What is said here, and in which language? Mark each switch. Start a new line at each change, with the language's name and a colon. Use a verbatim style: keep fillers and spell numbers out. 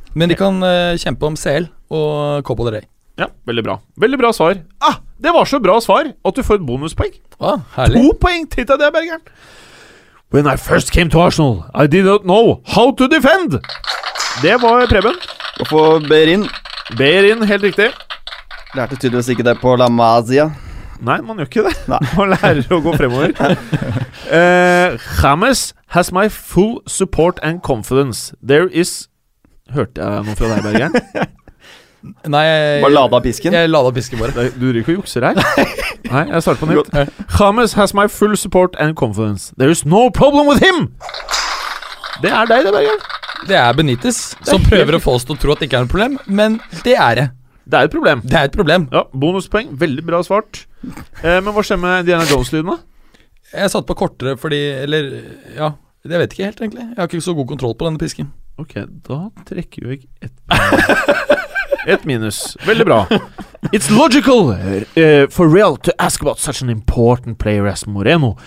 Norwegian: Men de kan uh, kjempe om C L og Copa del Rey. Ja, veldig bra. Veldig bra svar. Ah, det var så bra svar at du får et bonuspoeng. Ah, herlig. To poeng til deg, Bergeren.
English: When I first came to Arsenal, I did not know how to defend.
Norwegian: Det var Preben. Og for Berin. Berin, helt riktig. Lærte tydeligvis ikke det på La Masia. Nei, man gjør ikke det. Nei. Man lærer å gå fremover.
English: uh, James has my full support and confidence. There is...
Norwegian: Hørte jeg noe fra deg, Bergeren? Nei, jeg, bare lada pisken. Jeg lada pisken bare. Du driver ikke og jukser her. Nei, jeg starter på nytt.
English: James has my full support and confidence. There is no problem with him.
Norwegian: Det er deg, det, Berger. Det er Benitez som prøver å få oss til å tro at det ikke er et problem, men det er det. Det er et problem. Det er et problem. Ja, bonuspoeng. Veldig bra svart. Eh, men hva skjer med Indiana Jones-lydene? Jeg satt på kortere fordi, eller, ja, jeg vet ikke helt egentlig. Jeg har ikke så god kontroll på denne pisken. Ok, da trekker jo jeg et... Et minus. Veldig bra.
English: It's logical uh, for Real to ask about such an important player as Moreno.